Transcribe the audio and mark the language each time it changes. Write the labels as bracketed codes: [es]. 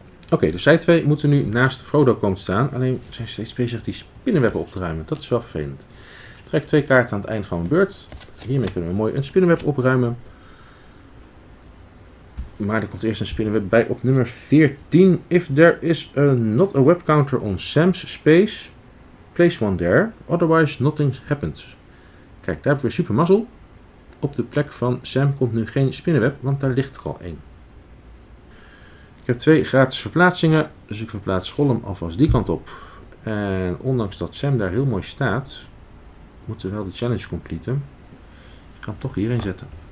[nl] Oké, dus zij twee moeten nu naast Frodo komen staan. Alleen zijn steeds bezig die spinnenwebben op te ruimen. Dat is wel vervelend. Trek twee kaarten aan het einde van mijn beurt. Hiermee kunnen we mooi een spinnenweb opruimen. Maar er komt eerst een spinnenweb bij op nummer 14. [en] If there is a not a web counter on Sam's space, place one there. Otherwise nothing happens. [nl] Kijk, daar hebben we super mazzel. Op de plek van Sam komt nu geen spinnenweb, want daar ligt er al één. Ik heb twee gratis verplaatsingen, dus ik verplaats Gollum alvast die kant op. En ondanks dat Sam daar heel mooi staat, moeten we wel de challenge completen. Ik ga hem toch hierin zetten.